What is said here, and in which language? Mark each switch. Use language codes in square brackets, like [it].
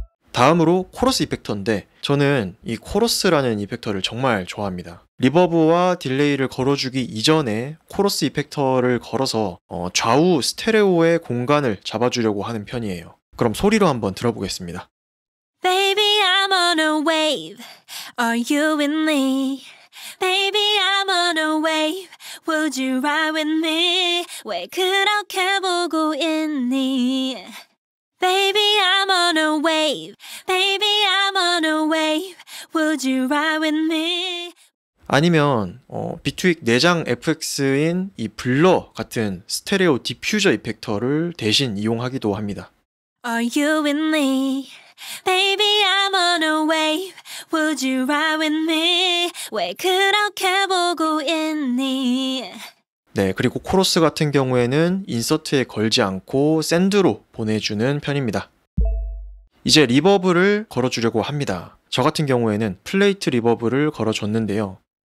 [ko] 다음으로 코러스 이펙터인데 저는 이 코러스라는 이펙터를 정말 좋아합니다. 리버브와 딜레이를 걸어주기 이전에 코러스 이펙터를 걸어서 좌우 스테레오의 공간을 잡아주려고 하는 편이에요. 그럼 소리로 한번 들어보겠습니다. [en] Baby I'm on a wave Are you with me? Baby I'm on a wave Would you ride with me? [ko] 왜 그렇게 보고 있니? [en] Baby I'm on a wave Baby I'm on a wave Would you ride with me? [ko] 아니면 비트윅 내장 FX인 이 블러 같은 스테레오 디퓨저 이펙터를 대신 이용하기도 합니다. [en] Are you with me? Baby I'm on a wave Would you ride with me? [ko] 왜 그렇게 보고 있니? 네, 그리고 코러스 같은 경우에는 인서트에 걸지 않고 샌드로 보내주는 편입니다. 이제 리버브를 걸어주려고 합니다. 저 같은 경우에는 플레이트 리버브를 걸어줬는데요.